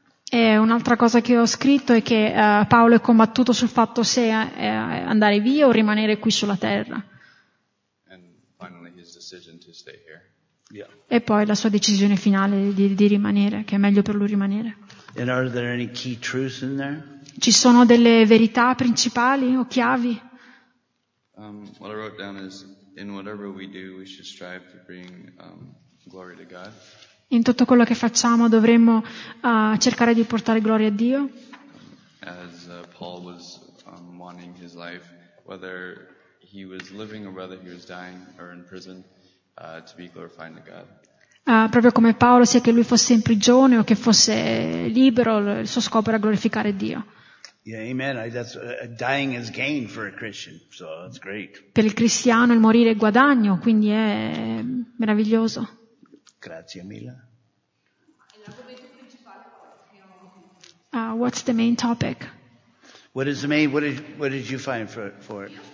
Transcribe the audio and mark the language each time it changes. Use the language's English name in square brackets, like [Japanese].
[Italian] E un'altra cosa che ho scritto è che Paolo è combattuto sul fatto se andare via o rimanere qui sulla terra. [English] And finally his decision to stay here. Yeah. [Italian] E poi la sua decisione finale di rimanere, che è meglio per lui rimanere. [English] And are there any key truths in there? [Italian] Ci sono delle verità principali o chiavi? [English] What I wrote down is in whatever we do, we should strive to bring glory to God. [Italian] In tutto quello che facciamo dovremmo cercare di portare gloria a Dio. [English] As Paul was wanting his life, whether he was living or whether he was dying or in prison, to be glorifying to God. [Italian] Proprio come Paolo, sia che lui fosse in prigione o che fosse libero, il suo scopo era glorificare Dio. [English] Yeah, amen. Dying is gain for a Christian, so that's great. [Italian] Per il cristiano il morire è guadagno, quindi è meraviglioso. Grazie mille. [English] What's the main topic? What is the main? What did you find for it?